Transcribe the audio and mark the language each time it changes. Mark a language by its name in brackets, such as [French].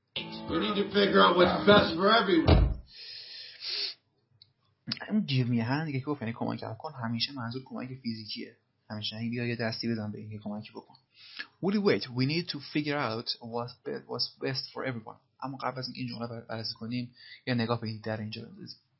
[English] We need to figure out what's best for everyone. [Persian] اون جیمی هنگی که گفت یعنی کمکم کن، همیشه منظور کمک فیزیکیه. همیشه بیا یه دستی بزن به این که کمکی بکن. [English] Woody, wait. We need to figure out what's best for everyone. [Persian] اما قبل از این جمله بررسی کنیم یا نگاه به این در اینجا بندازیم.